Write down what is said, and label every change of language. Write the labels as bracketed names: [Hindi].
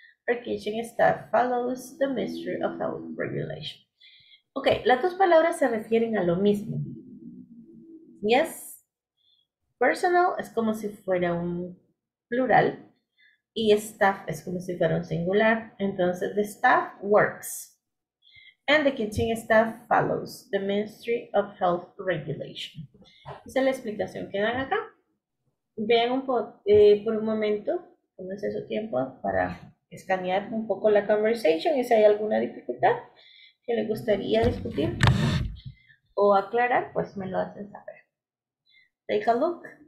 [English] Our kitchen staff follows the Ministry of Health regulation. [Spanish] Okay, las dos palabras se refieren a lo mismo. Yes. Personal es como si fuera un plural y staff es como si fuera un singular. [English] Entonces, the staff works. And the kitchen staff follows the Ministry of Health regulation. [Spanish] Esa es la explicación que dan acá. Vean un por un momento, tómense su tiempo para escanear un poco la conversation y si hay alguna dificultad que le gustaría discutir o aclarar, pues me lo hacen saber. [English] Take a look.